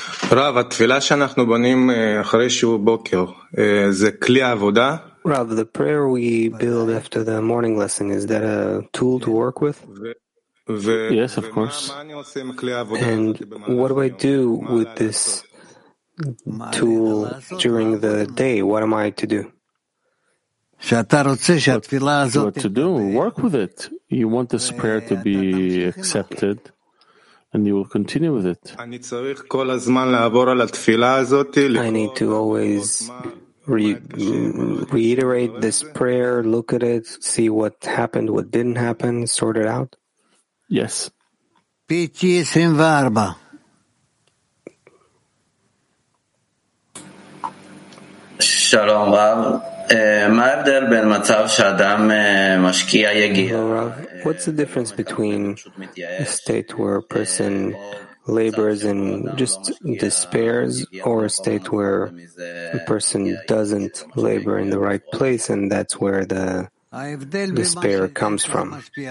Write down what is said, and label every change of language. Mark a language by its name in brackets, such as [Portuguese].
[Hebrew] Rav, התפילה שאנחנו בונים אחרי שיעור בוקר, זה כלי עבודה? [English] Rav, the prayer we build after the morning lesson, is that a tool to work with? Yes, of course. And what do I do with this tool during the day? What am I to do? What to do? Work with it. You want this prayer to be accepted. And you will continue with it. I need to always reiterate this prayer, look at it, see what happened, what didn't happen, sort it out. Yes. P24. [Hebrew] Shalom Rav. מה ההבדל בין מצב שאדם משקיע יגיע? [English] What's the difference between a state where a person labors and just despairs, or a state where a person doesn't labor in the right place, and that's where the despair comes from?